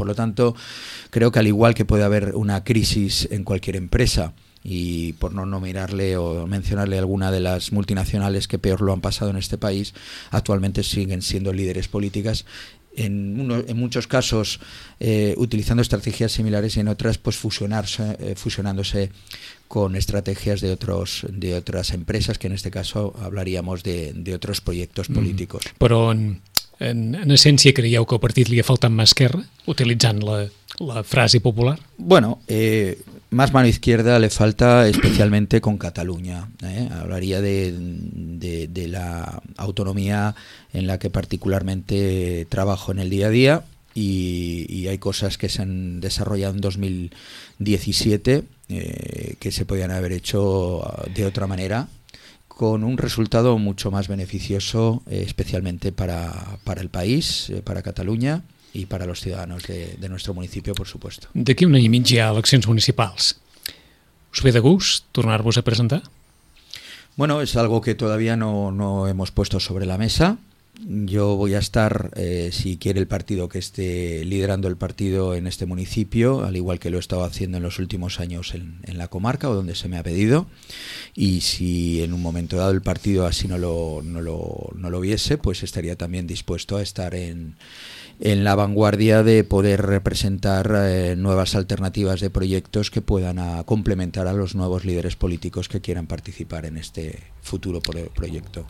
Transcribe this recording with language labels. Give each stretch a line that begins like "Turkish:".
Spanish: Por lo tanto, creo que al igual que puede haber una crisis en cualquier empresa, y por no nominarle o mencionarle alguna de las multinacionales que peor lo han pasado en este país, actualmente siguen siendo líderes políticas, en muchos casos utilizando estrategias similares y en otras pues fusionándose con estrategias de otras empresas, que en este caso hablaríamos de otros proyectos políticos.
Catalan: Però en essència creieu que al partit li ha faltat mà esquerra, utilitzant la frase popular?
Spanish: Bueno, más mano izquierda le falta especialmente con Cataluña. Hablaría de la autonomía en la que particularmente trabajo en el día a día y hay cosas que se han desarrollado en 2017 que se podían haber hecho de otra manera, con un resultado mucho más beneficioso especialmente para el país, para Cataluña.
Catalan: I per als ciutadans de nostre municipi, per supost. D'aquí un any i mig hi ha eleccions municipals. Us ve de gust tornar-vos a presentar?
Spanish: Bueno, es algo que todavía no hemos puesto sobre la mesa. Yo voy a estar, si quiere el partido que esté liderando el partido en este municipio, al igual que lo he estado haciendo en los últimos años en la comarca o donde se me ha pedido, y si en un momento dado el partido así no lo viese, pues estaría también dispuesto a estar en la vanguardia de poder representar nuevas alternativas de proyectos que puedan complementar a los nuevos líderes políticos que quieran participar en este futuro proyecto.